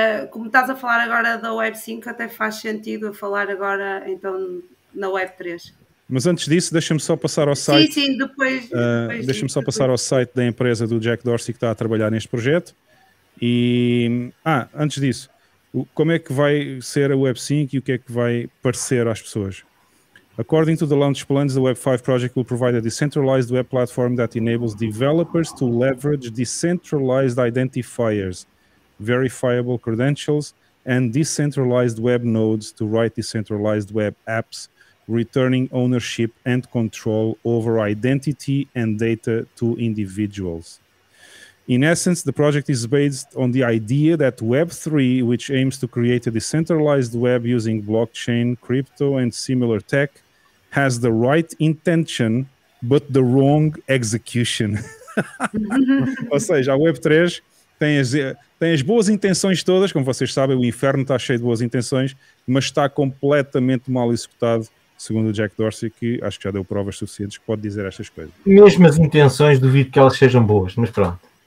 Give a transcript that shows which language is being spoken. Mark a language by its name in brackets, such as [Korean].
[Portuguese] Como estás a falar agora da Web5, até faz sentido falar agora, então, na Web3. Mas antes disso, deixa-me só passar ao site... Sim, sim, depois... deixa-me só passar ao site da empresa do Jack Dorsey que está a trabalhar neste projeto. E, antes disso, como é que vai ser a Web5 e o que é que vai parecer às pessoas? [English] According to the launch plans, the Web5 project will provide a decentralized web platform that enables developers to leverage decentralized identifiers, verifiable credentials, and decentralized web nodes to write decentralized web apps, returning ownership and control over identity and data to individuals. In essence, the project is based on the idea that Web3, which aims to create a decentralized web using blockchain, crypto, and similar tech, has the right intention, but the wrong execution. [Portuguese] Ou seja, a Web3 tem as boas intenções todas, como vocês sabem, o inferno está cheio de boas intenções, mas está completamente mal executado, segundo o Jack Dorsey, que acho que já deu provas suficientes que pode dizer estas coisas. Mesmo as intenções, duvido que elas sejam boas, mas pronto.